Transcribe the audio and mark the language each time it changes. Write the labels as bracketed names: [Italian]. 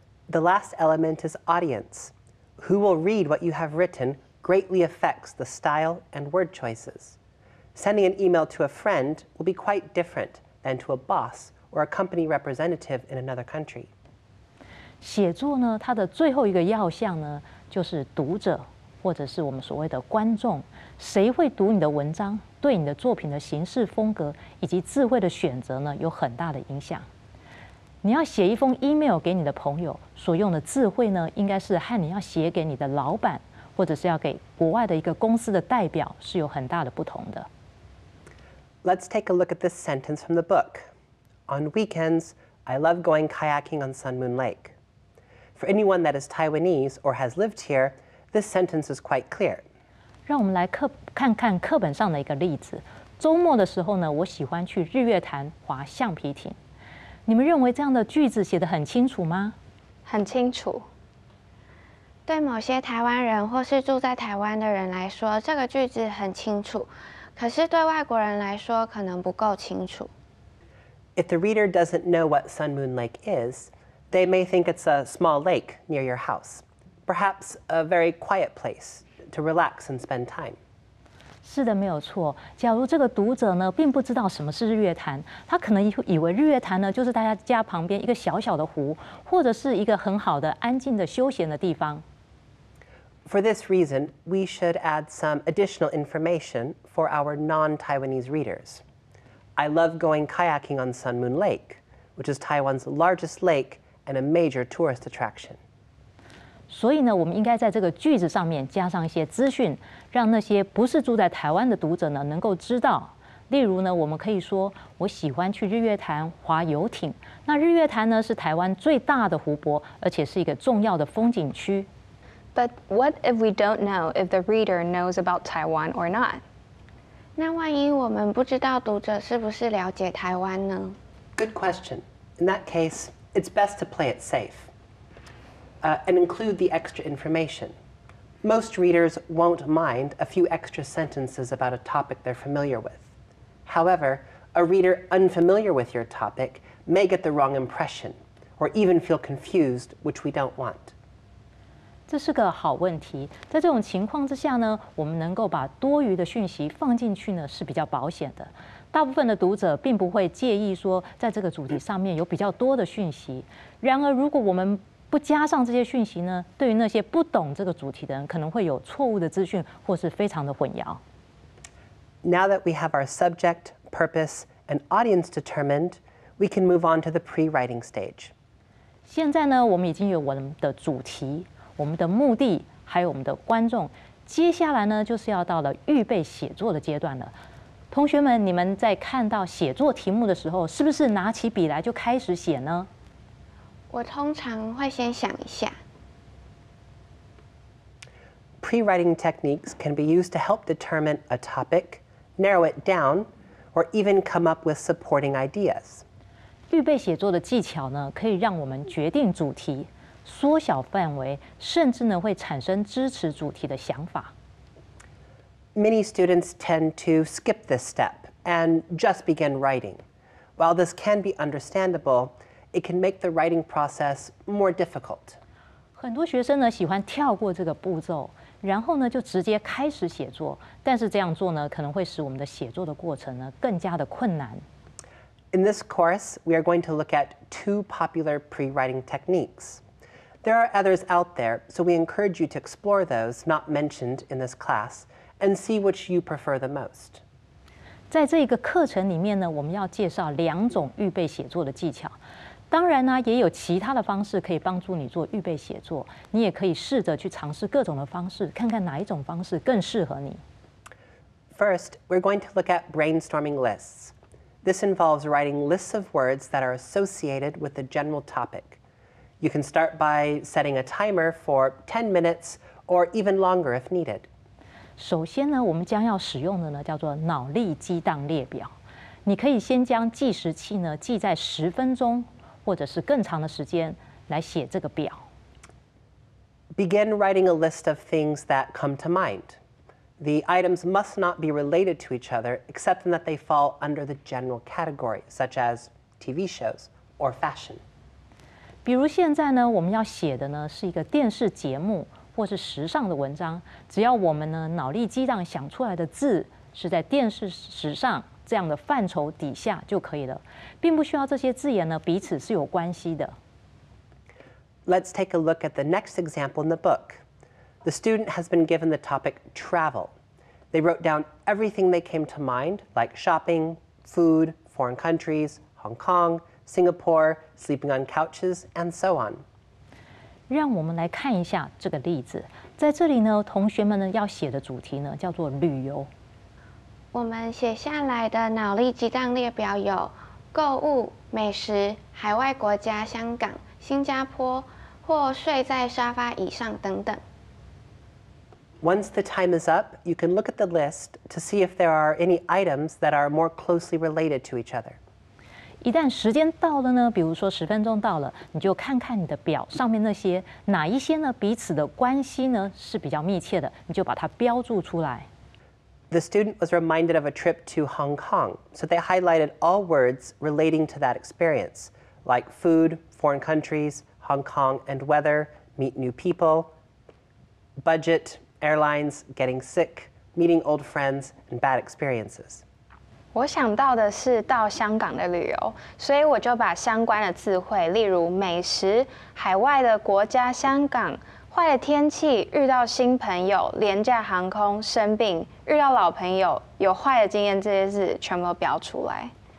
[English] The last element is audience. Who will read what you have written greatly affects the style and word choices. Sending an email to a friend will be quite different than to a boss or a company representative in another country. [Chinese] 写作呢，它的最后一个要项呢，就是读者。或者是我们所谓的观众，谁会读你的文章，对你的作品的形式风格以及智慧的选择呢，有很大的影响。你要写一封 email 给你的朋友，所用的智慧呢，应该是和你要写给你的老板，或者是要给国外的一个公司的代表，是有很大的不同的。 [English] Let's take a look at this sentence from the book. On weekends, I love going kayaking on Sun Moon Lake. For anyone that is Taiwanese or has lived here, this sentence is quite clear. [Chinese] 让我们来看看课本上的一个例子。周末的时候呢，我喜欢去日月潭滑橡皮艇。你们认为这样的句子写得很清楚吗？很清楚。对某些台湾人或是住在台湾的人来说，这个句子很清楚。可是对外国人来说可能不够清楚。 [English] If the reader doesn't know what Sun Moon Lake is, they may think it's a small lake near your house. Perhaps a very quiet place to relax and spend time. [Chinese] 是的，没有错。假如这个读者呢并不知道什么是日月潭，他可能以为日月潭呢就是大家家旁边一个小小的湖，或者是一个很好的安静的休闲的地方。 [English] For this reason, we should add some additional information for our non-Taiwanese readers. I love going kayaking on Sun Moon Lake, which is Taiwan's largest lake and a major tourist attraction. [Chinese] 所以呢，我们应该在这个句子上面加上一些资讯，让那些不是住在台湾的读者呢能够知道。例如呢，我们可以说，我喜欢去日月潭划游艇。那日月潭呢是台湾最大的湖泊，而且是一个重要的风景区。 [English] But what if we don't know if the reader knows about Taiwan or not? [Chinese] 那万一我们不知道读者是不是了解台湾呢？ [English] Good question. In that case, it's best to play it safe, and include the extra information. Most readers won't mind a few extra sentences about a topic they're familiar with. However, a reader unfamiliar with your topic may get the wrong impression, or even feel confused, which we don't want. [Chinese] 这是个好问题。在这种情况之下呢，我们能够把多余的讯息放进去呢，是比较保险的。大部分的读者并不会介意说，在这个主题上面有比较多的讯息。然而，如果我们不加上这些讯息呢，对于那些不懂这个主题的人，可能会有错误的资讯，或是非常的混淆。 [English] Now that we have our subject, purpose, and audience determined, we can move on to the pre-writing stage. [Chinese] 现在呢，我们已经有我们的主题。我们的目的还有我们的观众，接下来呢就是要到了预备写作的阶段了。同学们，你们在看到写作题目的时候，是不是拿起笔来就开始写呢？我通常会先想一下。 [English] Pre-writing techniques can be used to help determine a topic, narrow it down, or even come up with supporting ideas. [Chinese] 预备写作的技巧呢，可以让我们决定主题。缩小范围，甚至呢会产生支持主题的想法。 [English] Many students tend to skip this step and just begin writing. While this can be understandable, it can make the writing process more difficult. [Chinese] 很多学生呢喜欢跳过这个步骤，然后呢就直接开始写作。但是这样做呢，可能会使我们的写作的过程呢更加的困难。 [English] In this course, we are going to look at two popular pre-writing techniques. There are others out there, so we encourage you to explore those not mentioned in this class and see which you prefer the most. [Chinese] 在这个课程里面呢，我们要介绍两种预备写作的技巧。当然呢，也有其他的方式可以帮助你做预备写作。你也可以试着去尝试各种的方式，看看哪一种方式更适合你。 [English] First, we're going to look at brainstorming lists. This involves writing lists of words that are associated with the general topic. You can start by setting a timer for 10 minutes or even longer if needed. [Chinese] 首先呢，我们将要使用的呢叫做脑力激荡列表。你可以先将计时器呢记在十分钟或者是更长的时间来写这个表。 [English] Begin writing a list of things that come to mind. The items must not be related to each other except in that they fall under the general category, such as TV shows or fashion. [Chinese] 比如现在呢，我们要写的呢是一个电视节目或是时尚的文章。只要我们呢脑力激荡想出来的字是在电视时尚这样的范畴底下就可以了，并不需要这些字眼呢彼此是有关系的。 [English] Let's take a look at the next example in the book. The student has been given the topic travel. They wrote down everything they came to mind, like shopping, food, foreign countries, Hong Kong, Singapore, sleeping on couches, and so on. [Chinese] 让我们来看一下这个例子。在这里呢，同学们呢要写的主题呢叫做旅游。我们写下来的脑力激荡列表有购物、美食、海外国家、香港、新加坡，或睡在沙发椅上等等。 [English] Once the time is up, you can look at the list to see if there are any items that are more closely related to each other. [Chinese] 一旦时间到了呢，比如说十分钟到了，你就看看你的表上面那些哪一些呢彼此的关系呢是比较密切的，你就把它标注出来。 [English] The student was reminded of a trip to Hong Kong, so they highlighted all words relating to that experience, like food, foreign countries, Hong Kong and weather, meet new people, budget, airlines, getting sick, meeting old friends, and bad experiences. [Chinese] 我想到的是到香港的旅游，所以我就把相关的词汇，例如美食、海外的国家、香港、坏的天气、遇到新朋友、廉价航空、生病、遇到老朋友、有坏的经验这些字全部都标出来。